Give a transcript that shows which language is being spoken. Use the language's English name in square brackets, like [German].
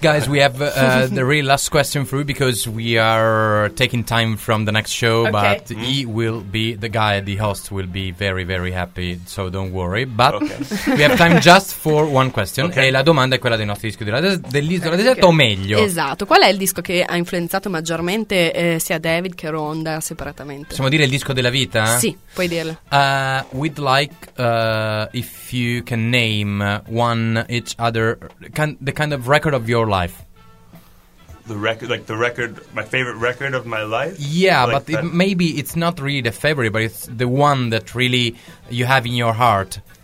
[English] Guys, we have the real last question for you because we are taking time from the next show. Okay. But he will be the guy, the host will be very, very happy. So don't worry. But we have time just for one question. Okay. [Italian] E la domanda è quella dei nostri dischi dell'Isola Deserta, o meglio. Esatto. Qual è il disco che ha influenzato maggiormente sia David che Rhonda separatamente? Possiamo dire il disco della vita? Sì, puoi dirlo. [English] We'd like if you can name one each other, the kind of record of your life. The record, like the record, my favorite record of my life? Yeah, like, but maybe it's not really the favorite, but it's the one that really you have in your heart.